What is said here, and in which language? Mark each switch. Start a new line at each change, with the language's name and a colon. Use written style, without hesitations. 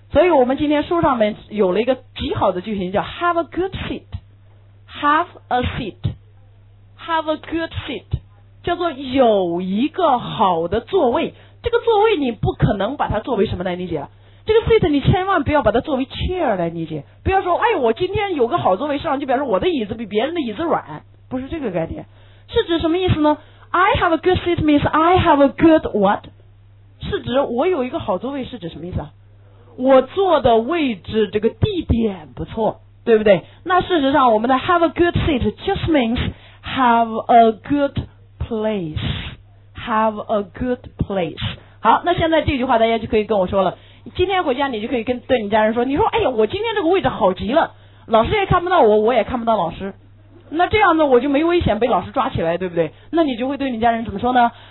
Chinese: 所以我们今天书上面有了一个极好的句型，叫 have a good seat，叫做有一个好的座位。这个座位你不可能把它作为什么来理解啊？这个 seat 你千万不要把它作为 chair 来理解，不要说哎我今天有个好座位上，就表示我的椅子比别人的椅子软，不是这个概念。是指什么意思呢？
English: I have a good seat means I have a good what？
Chinese: 是指我有一个好座位是指什么意思啊？我坐的位置这个地点不错，对不对？
English: 那事实上我们的 have a good seat just means have a good place， have a good place。
Chinese: 好，那现在这句话大家就可以跟我说了，今天回家你就可以跟对你家人说，你说哎呀我今天这个位置好极了，老师也看不到我，我也看不到老师，那这样呢我就没危险被老师抓起来，对不对？那你就会对你家人怎么说呢？